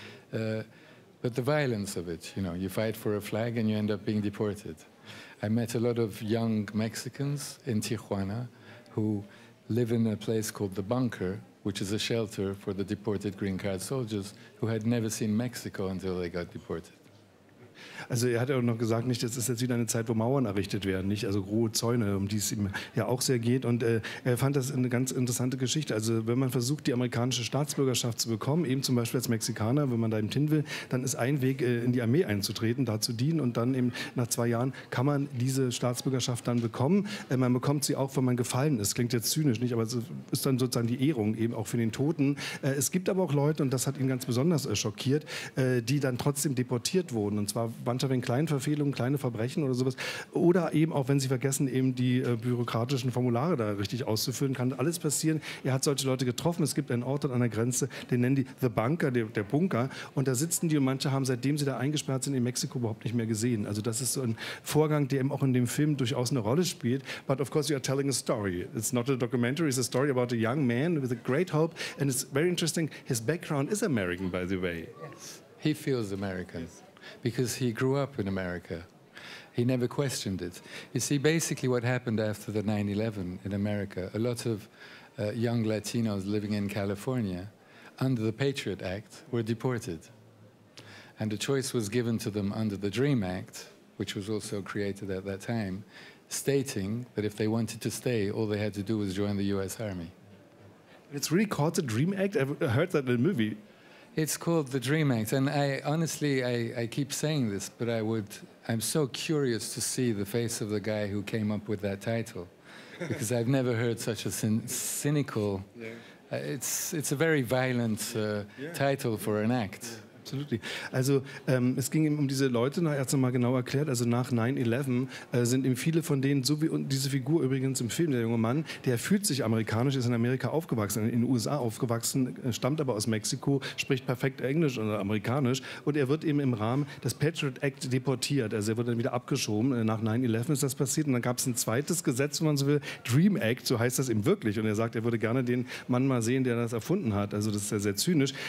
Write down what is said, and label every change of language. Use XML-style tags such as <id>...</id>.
<en>But the violence of it, you know, you fight for a flag and you end up being deported. I met a lot of young Mexicans in Tijuana who live in a place called the Bunker, which is a shelter for the deported green card soldiers who had never seen Mexico until they got deported.</en> <de>Also er hat ja auch noch gesagt, nicht, das ist jetzt wieder eine Zeit, wo Mauern errichtet werden, nicht? Also hohe Zäune, um die es ihm ja auch sehr geht. Und er fand das eine ganz interessante Geschichte. Also wenn man versucht, die amerikanische Staatsbürgerschaft zu bekommen, eben zum Beispiel als Mexikaner, wenn man da eben hin will, dann ist ein Weg, in die Armee einzutreten, da zu dienen. Und dann eben nach 2 Jahren kann man diese Staatsbürgerschaft dann bekommen. Man bekommt sie auch, wenn man gefallen ist. Klingt jetzt zynisch, nicht? Aber es ist dann sozusagen die Ehrung eben auch für den Toten. Es gibt aber auch Leute, und das hat ihn ganz besonders schockiert, die dann trotzdem deportiert wurden. Und zwar manchmal wegen kleinen Verfehlungen, kleine Verbrechen oder sowas. Oder eben auch, wenn sie vergessen, eben die bürokratischen Formulare da richtig auszufüllen, kann alles passieren. Er hat solche Leute getroffen. Es gibt einen Ort an der Grenze, den nennen die The Bunker, der Bunker. Und da sitzen die und manche haben, seitdem sie da eingesperrt sind, in Mexiko überhaupt nicht mehr gesehen. Also das ist so ein Vorgang, der eben auch in dem Film durchaus eine Rolle spielt.</de> <en>But of course you are telling a story. It's not a documentary, it's a story about a young man with a great hope. And it's very interesting, his background is American, by the way. Yes. He feels American, yes, because he grew up in America. He never questioned it. You see, basically what happened after the 9/11 in America, a lot of young Latinos living in California under the Patriot Act were deported. And a choice was given to them under the Dream Act, which was also created at that time, stating that if they wanted to stay, all they had to do was join the US Army. It's really called the Dream Act? I've heard that in a movie. It's called the Dream Act, and I honestly keep saying this, but I'm so curious to see the face of the guy who came up with that title, because I've never heard such a cynical, it's a very violent title for an act.</en> <de>Absolut. Also es ging ihm um diese Leute, er hat es nochmal genau erklärt, also nach 9/11 sind ihm viele von denen, so wie diese Figur übrigens im Film, der junge Mann, der fühlt sich amerikanisch, ist in Amerika aufgewachsen, in den USA aufgewachsen, stammt aber aus Mexiko, spricht perfekt Englisch oder amerikanisch und er wird eben im Rahmen des Patriot Act deportiert, also er wird dann wieder abgeschoben, nach 9/11 ist das passiert und dann gab es ein zweites Gesetz, wenn man so will, Dream Act, so heißt das eben wirklich und er sagt, er würde gerne den Mann mal sehen, der das erfunden hat, also das ist ja sehr zynisch,</de>